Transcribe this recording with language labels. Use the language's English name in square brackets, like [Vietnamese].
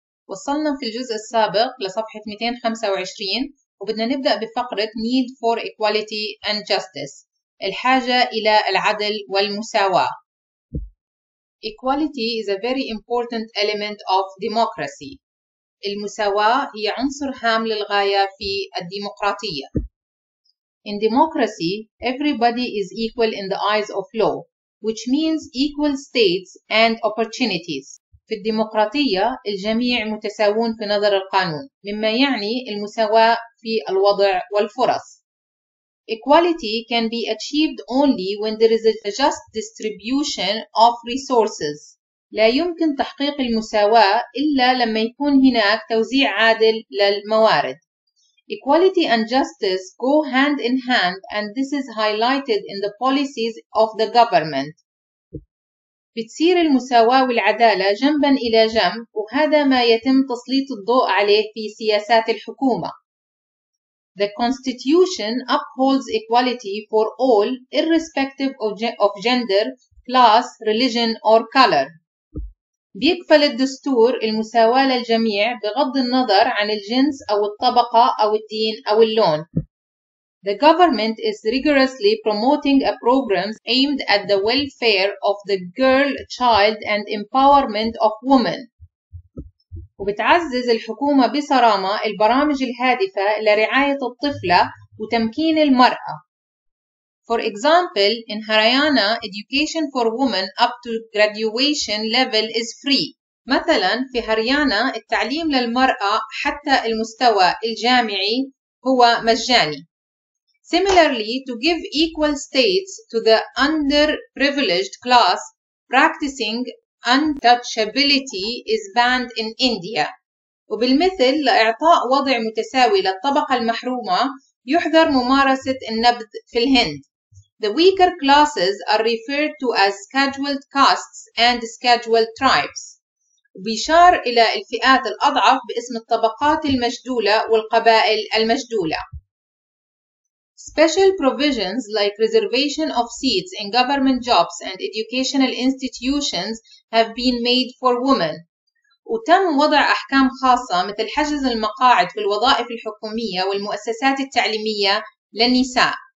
[Arabic] وصلنا في الجزء السابق لصفحة 225 وبدنا نبدأ بفقرة [English] Need for Equality and Justice، [Arabic] الحاجة إلى العدل والمساواة. [English] Equality is a very important element of democracy. [Arabic] المساواة هي عنصر هام للغاية في الديمقراطية. [English] In democracy, everybody is equal in the eyes of law, which means equal states and opportunities. [Arabic] في الديمقراطية الجميع متساوون في نظر القانون، مما يعني المساواة في الوضع والفرص. [English] Equality can be achieved only when there is a just distribution of resources. [Arabic] لا يمكن تحقيق المساواة إلا لما يكون هناك توزيع عادل للموارد. [English] Equality and justice go hand in hand, and this is highlighted in the policies of the government. [Arabic] بتصير المساواة والعدالة جنبا إلى جنب، وهذا ما يتم تسليط الضوء عليه في سياسات الحكومة. [English] The Constitution upholds equality for all, irrespective of gender, class, religion, or color. [Arabic] بيكفل الدستور المساواة للجميع بغض النظر عن الجنس أو الطبقة أو الدين أو اللون. [English] The government is rigorously promoting a program aimed at the welfare of the girl, child, and empowerment of women. [Arabic] وبتعزز الحكومة بصرامة البرامج الهادفة لرعاية الطفلة وتمكين المرأة. [English] For example, in Haryana, education for women up to graduation level is free. [Arabic] مثلا في هريانا التعليم للمرأة حتى المستوى الجامعي هو مجاني. [English] Similarly, to give equal states to the underprivileged class practicing Untouchability is banned in India. [Arabic] وبالمثل لإعطاء وضع متساوي للطبقة المحرومة يحظر ممارسة النبذ في الهند. [English] The weaker classes are referred to as scheduled castes and scheduled tribes. [Arabic] وبيشار إلى الفئات الأضعف باسم الطبقات المجدولة والقبائل المجدولة. [English] Special provisions like reservation of seats in government jobs and educational institutions have been made for women. [Arabic] وتم وضع أحكام خاصة مثل حجز المقاعد في الوظائف الحكومية والمؤسسات التعليمية للنساء.